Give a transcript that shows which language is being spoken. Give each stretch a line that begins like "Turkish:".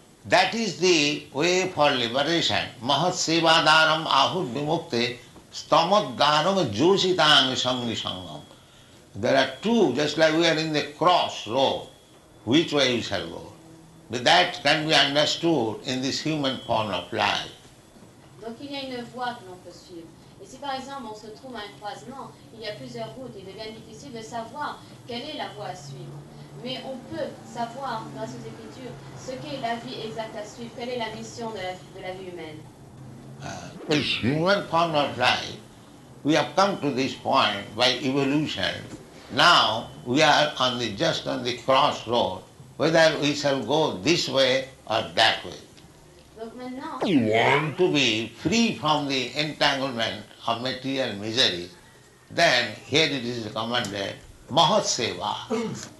English: that is the way for liberation.
Sanskrit: Mahat sevadaram ahur vimukte stamat dharam joshitam sangi sangam.
English: There are two, just like we are in the cross row, which way you shall go. But that can be understood in this human form of life.
French: Donc il y a une voie que l'on peut suivre. Et si par exemple on se trouve à un croisement, il y a plusieurs routes, il devient difficile de savoir quelle est la voie à suivre. Mais on peut savoir, grâce aux Écritures, ce qu'est la vie exacte à suivre, quelle est la mission de la vie humaine.
English: This human form of life, we have come to this point by evolution. Now we are on the just on the crossroad, whether we shall go this way or that way. If you want to be free from the entanglement of material misery, then here it is recommended, Mahat Seva.